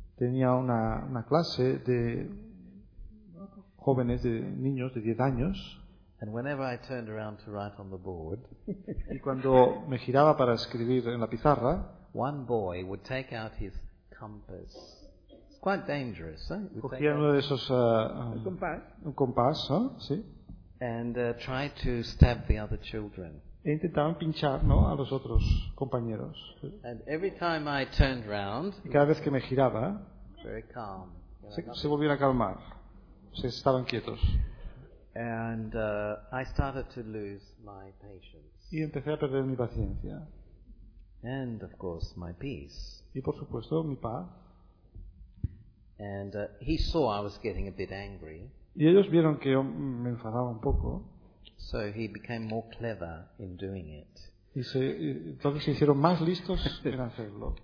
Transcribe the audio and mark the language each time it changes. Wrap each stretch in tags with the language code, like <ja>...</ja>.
<es>Tenía una clase de jóvenes, de niños de 10 años.</es> <en>And whenever I turned around to write on the board,</en> <es>y cuando me giraba para escribir en la pizarra,</es> <en>one boy would take out his compass. It's quite dangerous, eh?</en> <es>Cogía uno de esos un compás, ¿no? Sí.</es> <en>And try to stab the other children.</en> <es>E intentaban pinchar, ¿no?, a los otros compañeros.</es> <en>And every time I turned round,</en> <es>y cada vez que me giraba,</es> <en>very calm,</en> <es>se volvían a calmar. Se estaban quietos.</es> <en>And I started to lose my patience.</en> <es>Y empecé a perder mi paciencia.</es> <en>And of course my peace.</en> <es>Y por supuesto mi paz.</es> <en>And he saw I was getting a bit angry.</en> <es>Y ellos vieron que yo me enfadaba un poco.</es> <en>So he became more clever in doing it.</en> <es>Y entonces se hicieron más listos en hacerlo.</es>